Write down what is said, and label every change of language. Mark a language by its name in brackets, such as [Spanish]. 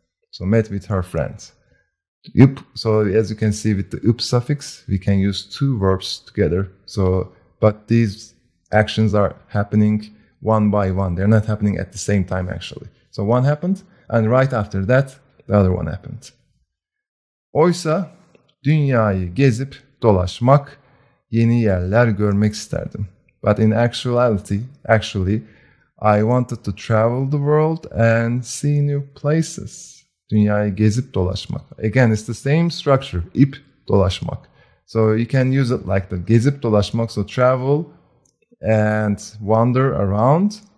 [English] So met with her friend. Üp, so as you can see with the üp suffix, we can use two verbs together. So, but these actions are happening one by one. They're not happening at the same time, actually. So one happened, and right after that, the other one happened. [Turkish] Oysa, dünyayı gezip dolaşmak, yeni yerler görmek isterdim. [English] But in actually, I wanted to travel the world and see new places. [Turkish] Dünyayı gezip dolaşmak. [English] Again, it's the same structure, ip dolaşmak. So you can use it like the [Turkish] gezip dolaşmak, [English] so travel and wander around.